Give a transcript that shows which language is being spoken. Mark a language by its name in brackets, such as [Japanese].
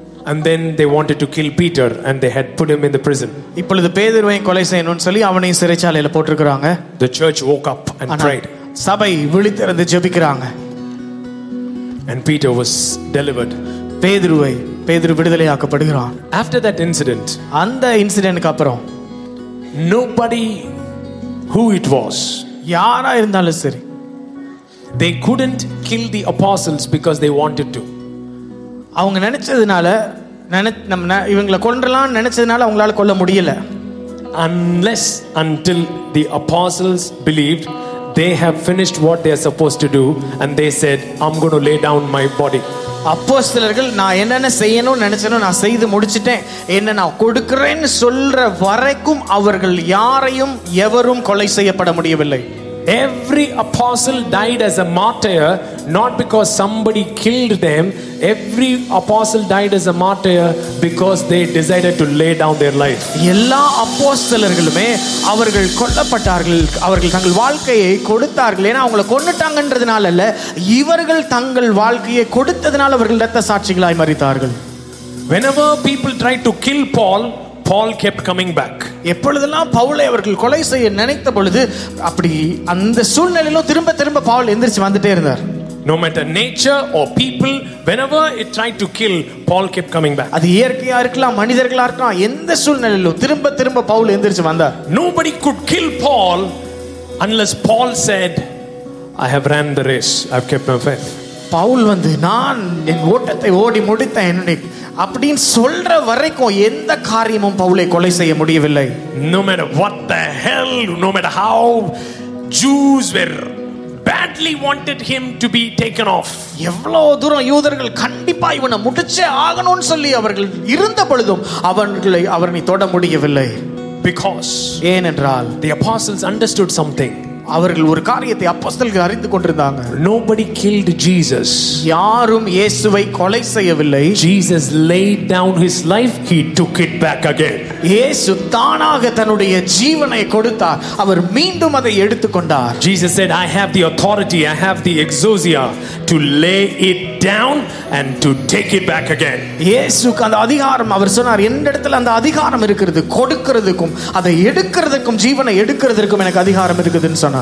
[English] And then they wanted to kill Peter and they had put him in the prison. [Tamil] இப்பொழுது பேதுருவை கொலை செய்யணும்னு சொல்லி அவனை சிறைச்சாலையில போட்டுருக்காங்க. [English] The church woke up and prayed. [Tamil] சபை விழித்திருந்து ஜெபிக்கிறாங்க. [English] And Peter was delivered. [Tamil] பேதுரு விடுதலை ஆக்கப்படுகிறான். [English] After that incident, [Tamil] அந்த இன்சிடென்ட்க்கு அப்புறம், [English] nobody who it was, [Tamil] யாரா இருந்தாலும் சரி, [English] they couldn't kill the apostles because they wanted to. [Tamil] அவங்க நினைச்சதுனால இவங்களை கொல்றலாம் நினைச்சதுனால அவங்களால கொல்ல முடியல. [English] Unless until the apostles believed, they have finished what they are supposed to do and they said, I'm going to lay down my body. [Tamil] அப்போஸ்தலர்கள் நான் என்னென்ன செய்யணும்னு நினைச்சேனோ நான் செய்து முடிச்சிட்டேன், என்ன நான் கொடுக்கிறேன்னு சொல்ற வரைக்கும் அவர்கள் யாரையும் எவரும் கொலை செய்யப்பட முடியவில்லை. [English] Every apostle died as a martyr, not because somebody killed them. Every apostle died as a martyr because they decided to lay down their life. [Tamil] எல்லா அப்போஸ்தலர்களுமே அவர்கள் கொல்லப்பட்டார்கள், அவர்கள் தங்கள் வாழ்க்கையை கொடுத்தார்கள். ஏன்னா அவங்க கொன்னுட்டாங்கன்றதுனால அல்ல, இவர்கள் தங்கள் வாழ்க்கையை கொடுத்ததனால அவர்கள் இரத்த சாட்சிகளாய் மரித்தார்கள். [English] Whenever people tried to kill Paul, Paul kept coming back. [Tamil] எப்பொழுதெல்லாம் பவுலை அவர்கள் கொலை செய்ய நினைத்த பொழுது அப்படி அந்த சூழ்நிலையிலும் திரும்ப திரும்ப பவுல் எந்திரிச்சு வந்துட்டே இருந்தார். [English] No matter nature or people, whenever it tried to kill, Paul kept coming back. [Tamil] அது இயற்கையா இருக்கலாம் மனிதர்களா இருக்கலாம், எந்த சூழ்நிலையிலும் திரும்ப திரும்ப பவுல் எந்திரிச்சு வந்தார். [English] Nobody could kill Paul unless Paul said, I have ran the race, I've kept my faith. [Tamil] Pavul வந்து நான் என் ஓட்டத்தை ஓடி முடித்தேன் என்ன அப்படின்னு சொல்ற வரைக்கும் எந்த காரியமும் பவுலை கொலை செய்ய முடியவில்லை. [English] No matter what the hell, no matter how Jews were badly wanted him to be taken off. [Tamil] எவ்வளவு தூரம் யூதர்கள் கண்டிப்பா இவனை முடிச்சே ஆகணும்னு சொல்லி அவர்கள் இருந்த பொழுதும் அவர்களை அவரை தொட முடியவில்லை. [English] Because [Tamil] ஏனென்றால் [English] the apostles understood something. [Tamil] அவர்கள் ஒரு காரியத்தை அப்போஸ்தலர்கள் அறிந்து கொண்டிருந்தாங்க. [English] Nobody killed Jesus. [Tamil] யாரும் இயேசுவை கொலை செய்யவில்லை. [English] Jesus laid down his life, he took it back again. [Tamil] இயேசு தானாக தன்னுடைய ஜீவனை கொடுத்தார், அவர் மீண்டும் அதை எடுத்துக்கொண்டார். [English] Jesus said, I have the authority, I have the exousia to lay it down and to take it back again. [Tamil] இயேசுக்கு அந்த அதிகாரம், அவர் சொன்னார், என்னிடத்தில் அந்த அதிகாரம் இருக்கிறது, கொடுக்கிறதுக்கும் அதை எடுக்கிறதுக்கும் ஜீவனை எடுக்கிறதுக்கும் எனக்கு அதிகாரம் இருக்குது.